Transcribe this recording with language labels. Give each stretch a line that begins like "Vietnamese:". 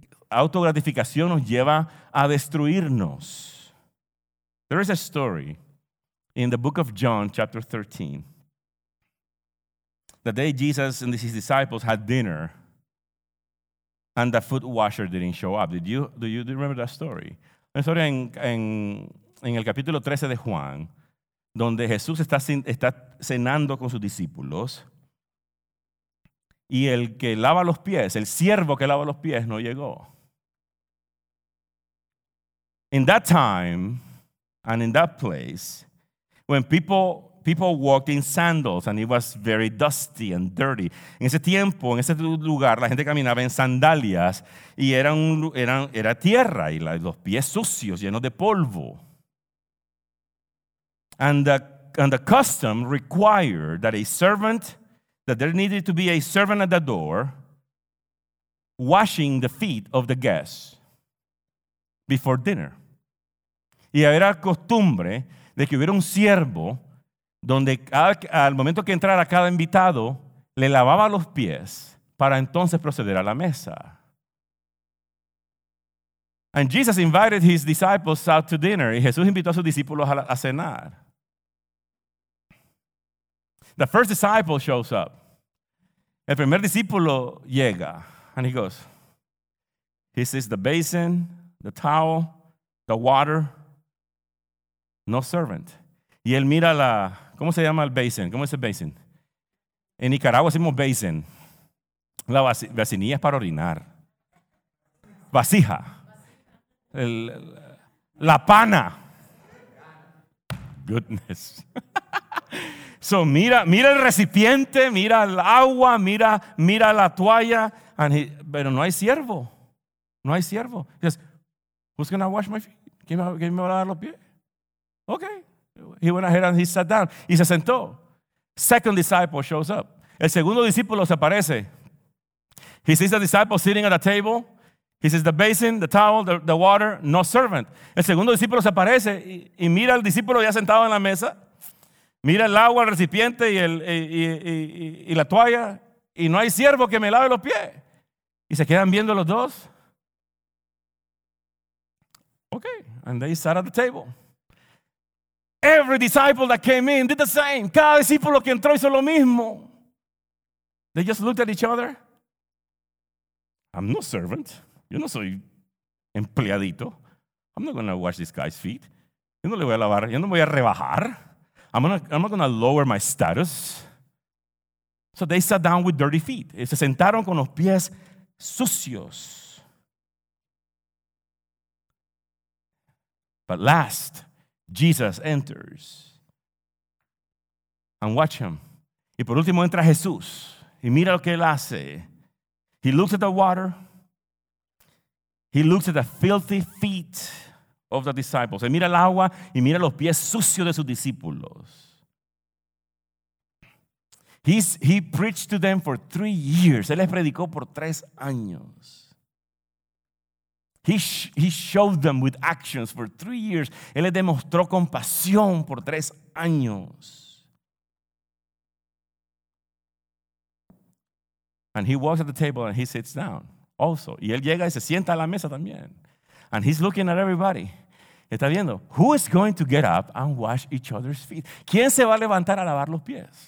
Spanish: Autogratificación nos lleva a destruirnos.
English: There is a story in the book of John, chapter 13. The day Jesus and his disciples had dinner, and the foot washer didn't show up. Do you remember that story?
Spanish: Una historia en el capítulo 13 de Juan, donde Jesús está cenando con sus discípulos, y el que lava los pies, el siervo que lava los pies, no llegó.
English: In that time and in that place, when people walked in sandals and it was very dusty and dirty.
Spanish: En ese tiempo, en ese lugar, la gente caminaba en sandalias y era tierra y los pies sucios, llenos de polvo.
English: And the custom required that there needed to be a servant at the door washing the feet of the guests before dinner.
Spanish: Y era costumbre de que hubiera un siervo donde al momento que entrara cada invitado, le lavaba los pies para entonces proceder a la mesa.
English: And Jesus invited his disciples out to dinner.
Spanish: Y Jesús invitó a sus discípulos a cenar.
English: The first disciple shows up.
Spanish: El primer discípulo llega.
English: And he goes, he sees the basin, the towel, the water. No servant.
Spanish: Y él mira la... ¿Cómo se llama el basin? ¿Cómo es el basin? En Nicaragua decimos basin. La vasinilla es para orinar. Vasija. La pana.
English: Goodness.
Spanish: So mira el recipiente, mira el agua, mira la toalla. Pero no hay siervo. No hay siervo.
English: He says, who's going to wash my feet?
Spanish: ¿Quién me va a lavar los pies?
English: Okay, he went ahead and he sat down.
Spanish: Y se sentó.
English: Second disciple shows up.
Spanish: El segundo discípulo se aparece.
English: He sees the disciple sitting at a table. He sees the basin, the towel, the water, no servant.
Spanish: El segundo discípulo se aparece y mira al discípulo ya sentado en la mesa. Mira el agua, el recipiente y la toalla. Y no hay siervo que me lave los pies. Y se quedan viendo los dos.
English: Okay, and they sat at the table. Every disciple that came in did the same.
Spanish: Cada discípulo que entró hizo lo mismo.
English: They just looked at each other. I'm no servant.
Spanish: Yo no soy empleadito.
English: I'm not going to wash this guy's feet.
Spanish: Yo no le voy a lavar. Yo no voy a rebajar.
English: I'm not going to lower my status. So they sat down with dirty feet.
Spanish: Se sentaron con los pies sucios.
English: But last, Jesus enters and watch him.
Spanish: Y por último entra Jesús y mira lo que él hace.
English: He looks at the water. He looks at the filthy feet of the disciples.
Spanish: Él mira el agua y mira los pies sucios de sus discípulos.
English: He preached to them for 3 years.
Spanish: Él les predicó por 3 años.
English: He showed them with actions for 3 years.
Spanish: Él les demostró compasión por 3 años.
English: And he walks at the table and he sits down also.
Spanish: Y él llega y se sienta a la mesa también.
English: And he's looking at everybody.
Spanish: Está viendo,
English: who is going to get up and wash each other's feet?
Spanish: ¿Quién se va a levantar a lavar los pies?